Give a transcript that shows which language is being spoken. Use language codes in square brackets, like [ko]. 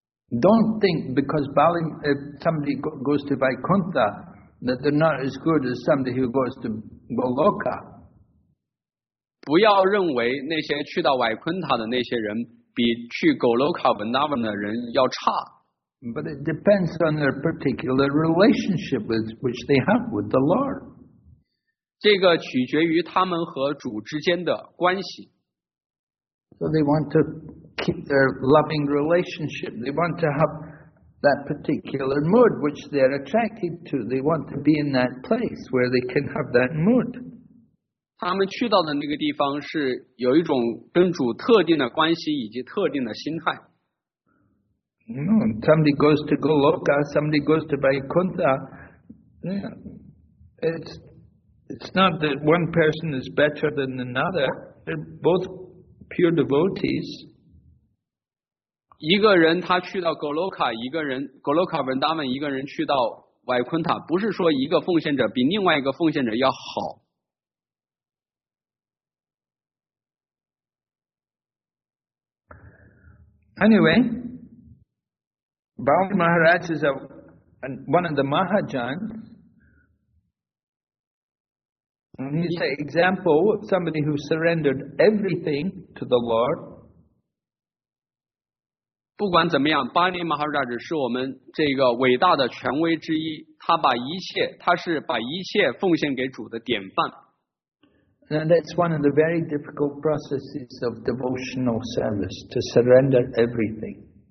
[en] Don't think because Bali, if somebody goes to Vaikuntha, that they're not as good as somebody who goes to Goloka. [zh] 不要认为那些去到 Vaikuntha 的那些人比去 Goloka Vrindavan 的人要差。 [en] But it depends on their particular relationship which they have with the Lord. [zh] 这个取决于他们和主之间的关系。 [en] So they want to keep their loving relationship. They want to have that particular mood which they're attracted to. They want to be in that place where they can have that mood. [zh] 他们去到的那个地方是有一种跟主特定的关系以及特定的心态。 [en] No, somebody goes to Goloka, somebody goes to Vaikuntha. It's not that one person is better than another. They're both pure devotees. [zh] 一个人他去到 Goloka, 一个人 Goloka Vrindavan, 一个人去到 Vaikuntha, 不是说一个奉献者比另外一个奉献者要好。 [en] Anyway, Balaji Maharaj is one of the Mahajans. He's an example of somebody who surrendered everything to the Lord. [zh] 不管怎么样, 巴尼马哈拉智 是我们这个伟大的权威之一, 他把一切, 他是把一切奉献给主的典范。 [en] Now that's one of the very difficult processes of devotional service, to surrender everything.